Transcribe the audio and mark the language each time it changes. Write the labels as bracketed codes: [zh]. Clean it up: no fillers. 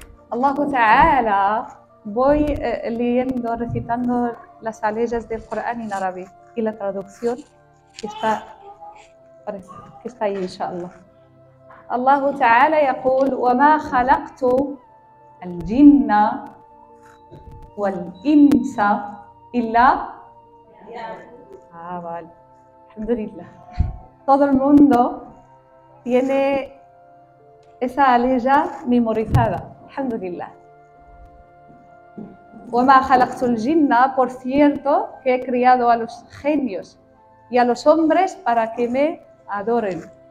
[es] Allah Ta'ala, voy leyendo, recitando las leyes del Corán en árabe y la traducción que está ahí, inshallah. [ar] Allah Ta'ala يقول وَمَا خَلَقْتُ الْجِنَّ والإنس إلا vale. الحمد لله. [es] Todo el mundo tiene esa ley memorizada. [ar] الحمد لله. وما خلقت الجن, [es] por cierto, que he criado a los genios y a los hombres para que me adoren.